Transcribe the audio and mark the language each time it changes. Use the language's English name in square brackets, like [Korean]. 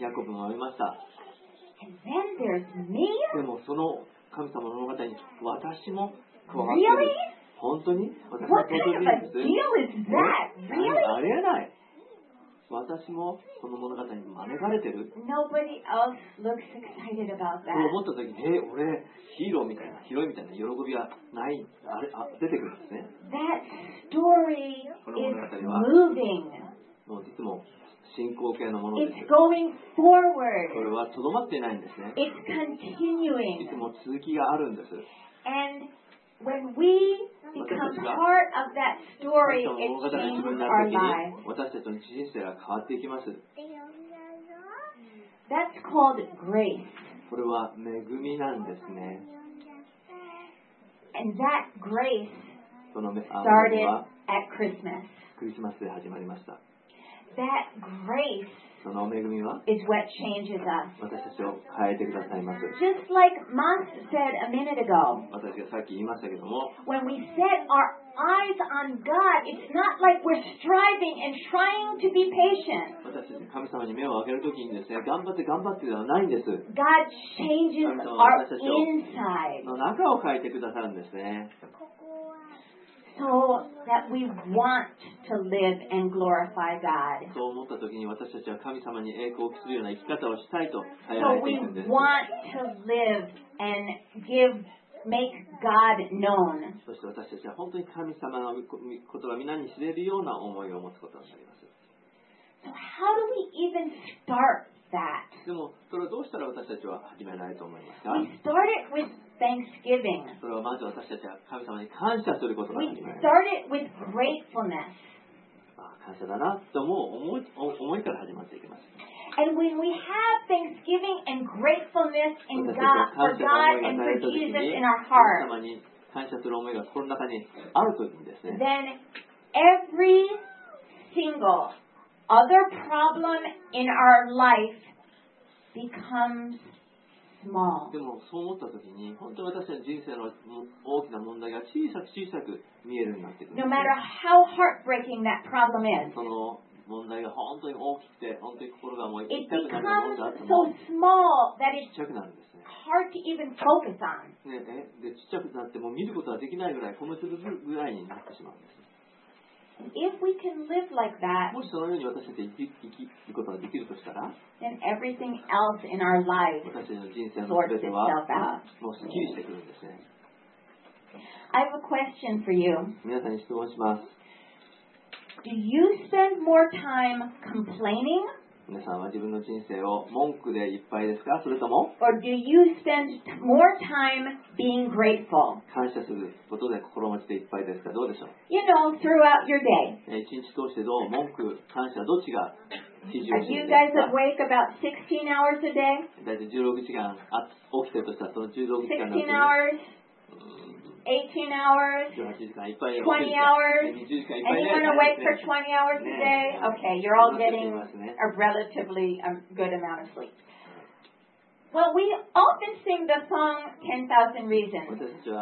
[Japanese] ヤコブもいました、 [English] and then there's me, [Japanese] でもその神様の物語に私も加わっている [English] 。 Really? [Japanese] 本当に私は登場人物です。ありえない。私もこの物語に招かれてる。 [English] Nobody else looks excited about that. [Japanese] そう思った時に、俺ヒーローみたいな、ヒロインみたいな喜びはない。あれ、あ、出てくるんですね。 [English] That story [Japanese] この物語は、もういつも進行形のものです。 [English] It's going forward. [Japanese] これはとどまっていないんですね。 [English] It's continuing. [Japanese] いつも続きがあるんです。 [English] And when we become part of that story, it changes our lives. [Japanese] 私たちの人生は変わっていきます。 [English] That's called grace. [Japanese] これは恵みなんですね。 [English] And that grace started at Christmas. [Japanese] クリスマスで始まりました。 [English] That grace [Japanese] その恵みは [English] is what changes us. [Japanese] 私たちを変えてくださいます。 [English] Just like Mons said a minute ago, [Japanese] 私がさっき言いましたけども、 [English] when we set our eyes on God, it's not like we're striving and trying to be patient. [Japanese] 私たち神様に目を開けるときにですね、頑張って頑張ってではないんです。 [English] God changes our inside. [Japanese] 神様は私たちの中を変えてくださるんですね。 [English] So that we want to live and glorify God. [Japanese] そう思った時に私たちは神様に栄光を期するような生き方をしたいと考えているんです。 [English] So we want to live and make God known. [Japanese] そして私たちは本当に神様のことが皆に知れるような思いを持つことになります。 [English] So how do we even start that? [Japanese] でもそれをどうしたら私たちは始めないと思いますか？ [English] We start it with thanksgiving. [Japanese] それはまず私たちは神様に感謝することが始まる。 [English] We start it with gratefulness. [Japanese] あ、感謝だなと思いから始まっていきます。 [English] And when we have thanksgiving and gratefulness in God, for God and for Jesus in our heart, [Japanese] 神様に感謝する思いがこの中にあるときにですね。 [English] Then every single other problem in our life becomes small. [Japanese] でもそう思ったときに、本当に私の人生の大きな問題が小さく小さく見えるようになってくる。 [English] No matter how heartbreaking that problem is. [Japanese] その問題が本当に大きくて、本当に心がもう痛くなるものがあったもの。 [English] So small that it's hard to even focus on. [Japanese] ね、え、で、ちっちゃくなってもう見ることはできないぐらい、米粒ぐらいになってしまうんです。 [English] If we can live like that, [Japanese] もしそのように私たちが生きることができるとしたら、 [English] then everything else in our lives [Japanese] 私たちの人生の全てはもうすっきりしてくるんですね。 [English] I have a question for you. [Japanese] 皆さんに質問します。 [English] Do you spend more time complaining? [Japanese] 皆さんは自分の人生を文句でいっぱいですか？それとも？ [English] Or do you spend more time being grateful? [Japanese] 感謝することで心持ちでいっぱいですか？どうでしょう？ [English] You know, throughout your day. [Japanese] 一日通してどう？文句、感謝、どっちが比重？ [English] Are you guys awake about 16 hours a day? [Japanese] だいたい16時間あ起きてるとしたらその16時間なんて。 [English] 16 hours. 18 hours, 20 hours, anyone awake for 20 hours a day? Okay, you're all getting a relatively good amount of sleep. Well, we often sing the song 10,000 Reasons.